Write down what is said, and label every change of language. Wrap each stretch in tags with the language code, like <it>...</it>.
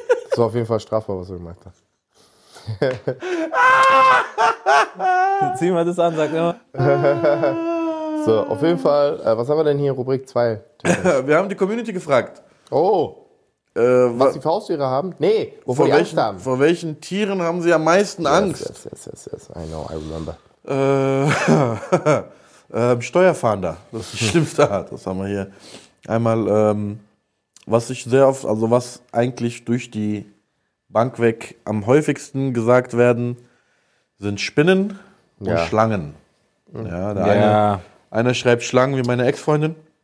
<de>Das war auf jeden Fall strafbar, was er gemacht hat. Zieh mal das an, sag immer. So, auf jeden Fall, was haben wir denn hier in Rubrik 2? Wir haben die Community gefragt. Oh, was die für Haustiere haben? Nee, wovor die welchen, Angst haben. Vor welchen Tieren haben sie am meisten Angst?</de> <en>Yes, yes, yes, yes, yes. I know, I remember.</en> <de>Steuerfahnder, das stimmt da, das haben wir hier. Einmal, was ich sehr oft, also was eigentlich durch die Bank weg am häufigsten gesagt werden, sind Spinnen und Schlangen. Ja, einer schreibt Schlangen wie meine Ex-Freundin.</de>